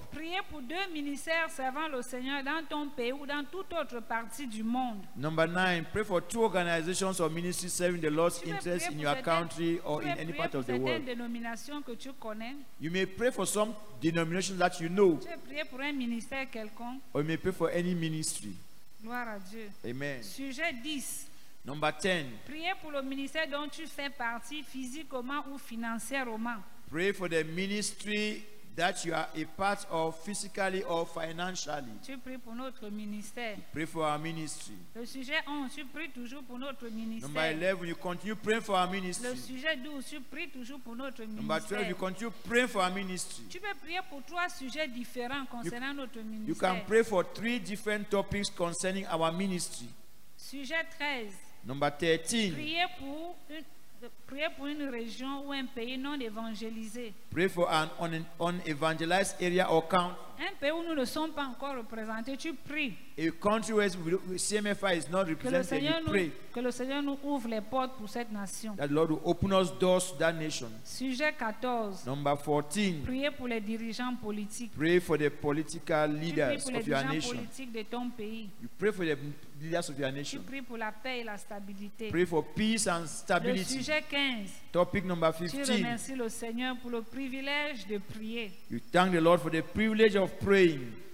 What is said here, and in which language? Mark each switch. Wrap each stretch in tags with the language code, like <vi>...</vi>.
<fr>Prier pour 2 ministères servant le Seigneur dans ton pays ou dans toute autre partie du monde.</fr> <en>Number 9. Pray for 2 organizations or ministries serving the Lord's interests in your country or in any part of the world.</en> <fr>Prier pour certaines dénominations que tu connais.</fr> <en>You may pray for some denominations that you know.</en> <fr>Tu peux prier pour un ministère quelconque.</fr> <en>Or you may pray for any ministry.</en> <fr>Gloire à Dieu.</fr> <en>Amen.</en> <fr>Sujet 10.</fr> <en>Number 10.</en> <fr>Prier pour le ministère dont tu fais partie physiquement ou financièrement.</fr> <en>Pray for the ministry that you are a part of physically or financially.</en> <fr>Tu pries pour notre ministère.</fr> <en>Pray for our ministry.</en> <fr>Le sujet 11, tu pries toujours pour notre ministère.</fr> <en>Number 11, you continue praying for our ministry.</en> <fr>Le sujet 12, tu pries toujours pour notre ministère.</fr> <en>Number 12, you continue praying for our ministry.</en> <fr>Tu peux prier pour 3 sujets différents concernant notre ministère.</fr> <en>You can pray for 3 different topics concerning our ministry.</en> <fr>Sujet 13.</fr> <en>Number 13.</en> <fr>Prier pour une région ou un pays non évangélisé.</fr> <en>Pray for an unevangelized area or country.</en> <fr>Un pays où nous ne sommes pas encore représentés, tu pries.</fr> <en>A country where CMFI is not represented, you pray.</en> <fr>Que le Seigneur nous ouvre les portes pour cette nation.</fr> <en>That the Lord will open us doors to that nation.</en> <fr>Sujet 14.</fr> <en>Number 14.</en> <fr>Prier pour les dirigeants politiques.</fr> <en>Pray for the political leaders of your nation.</en> <fr>Les dirigeants politiques de ton pays.</fr> <en>You pray for the leaders of your nation.</en> <fr>Tu pries pour la paix et la stabilité.</fr> <en>Pray for peace and stability.</en> <fr>Le sujet 15.</fr> <en>Topic number 15.</en> <fr>Tu remercies le Seigneur pour le privilège de prier.</fr> <en>You thank the Lord for the privilege of praying.</en>